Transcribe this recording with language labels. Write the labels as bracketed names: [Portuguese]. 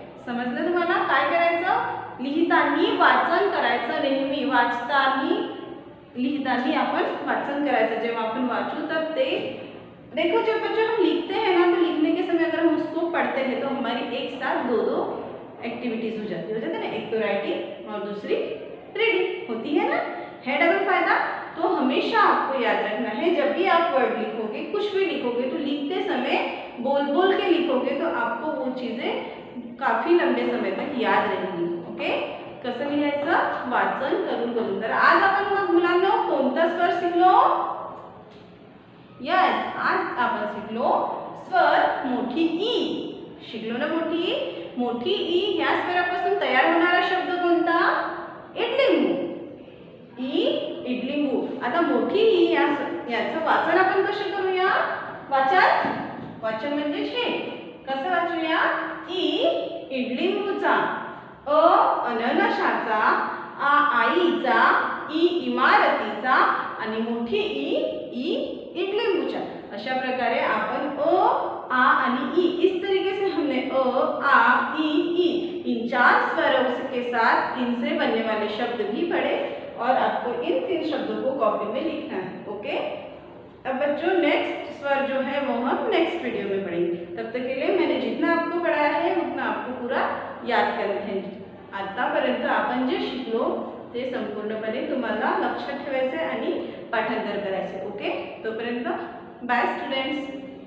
[Marathi] समझ लो तुम्हारा काय करायचं लिहिता नी वाचन करायचं नेहमी वाचतानी लिहिताना आपण वाचन करायचं। जेव्हा आपण वाचू [Hindi] तब ते देखो जब बच्चों हम लिखते हैं ना तो लिखने के समय अगर हम उसको पढ़ते हैं तो हमारी एक साथ दो दो एक्टिविटीज हो जाती है ना, एक तो राइटिंग और दूसरी रीडिंग होती है ना, है डबल फायदा। तो हमेशा आपको याद रखना है जब भी आप वर्ड लिखोगे कुछ भी लिखोगे तो लिखते समय बोल बोल के लिखोगे तो आपको वो चीज़ें काफ़ी लंबे समय तक याद रहेंगी। [Marathi] ओके कसं लिहायचं वाचन करून करून। तर आज आपण मग मुलांना कोणता स्वर शिकलो? यस आज आपण शिकलो स्वर मोठी ई। शिकलो ना मोठी मोठी ई या स्वरापासून तयार होणारा शब्द कोणता? इडलिंगू। ई इडलिंगू। आता मोठी ई याचं वाचन आपण कसं करूया? वाचन वाचन म्हणजे हे कसं वाचूया? ई इडलिंगूचा, अ अननसाचा, आ आईचा, ई इमारतीचा आणि मोठी ई ई इडलिंगूचा। अशा प्रकारे आपण अ आ आणि ई [Hindi] इस तरीके से हमने अ आ ई ई इन चार स्वरों के साथ इनसे बनने वाले शब्द भी पढ़े और आपको इन तीन शब्दों को कॉपी में लिखना है। ओके अब बच्चों नेक्स्ट स्वर जो है वो हम नेक्स्ट वीडियो में पढ़ेंगे। तब तक के लिए मैंने जितना आपको पढ़ाया है उतना आपको पूरा याद करना है। [Marathi] आतापर्यंत आपण जे शिकलो ते संपूर्णपणे तुम्हाला लक्षात ठेवायचे आणि पाठांतर करायचे। ओके तोपर्यंत बाय स्टूडेंट्स।